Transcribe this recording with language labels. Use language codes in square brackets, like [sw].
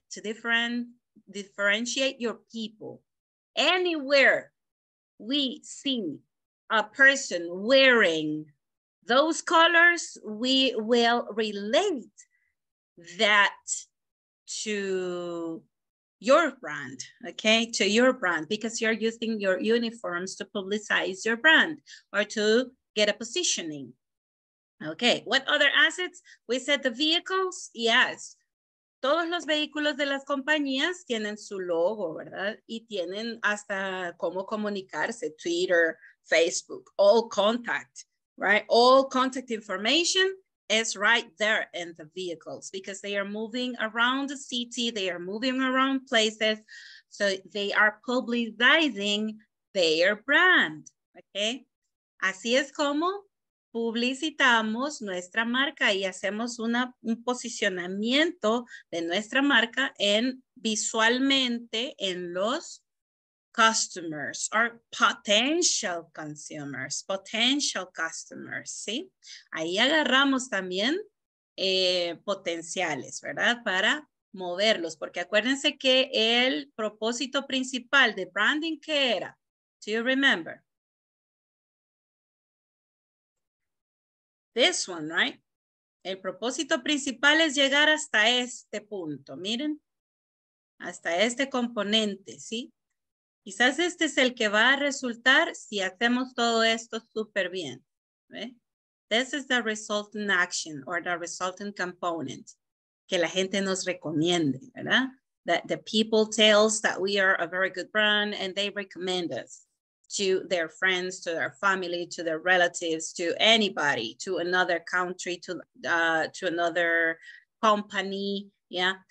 [en] To differentiate your people. Anywhere we see a person wearing those colors, we will relate that to your brand, okay? To your brand, because you're using your uniforms to publicize your brand or to get a positioning. Okay, what other assets? We said the vehicles, yes. [es] Todos los vehículos de las compañías tienen su logo, ¿verdad? Y tienen hasta cómo comunicarse, Twitter, Facebook, [en] all contact, right? All contact information is right there in the vehicles because they are moving around the city, they are moving around places, so they are publicizing their brand, okay? [es] Así es como publicitamos nuestra marca y hacemos un posicionamiento de nuestra marca en visualmente en los [en] customers or potential consumers, potential customers, [es] ¿sí? Ahí agarramos también potenciales, ¿verdad? Para moverlos, porque acuérdense que el propósito principal de branding, ¿qué era? [en] Do you remember? This one, right? [es] El propósito principal es llegar hasta este punto, miren. Hasta este componente, ¿sí? Quizás este es el que va a resultar si hacemos todo esto súper bien. ¿Eh? [en] This is the resulting action or the resulting component. [es] Que la gente nos recomiende, ¿verdad? [en] That the people tells that we are a very good brand and they recommend us to their friends, to their family, to their relatives, to anybody, to another country, to another company, yeah?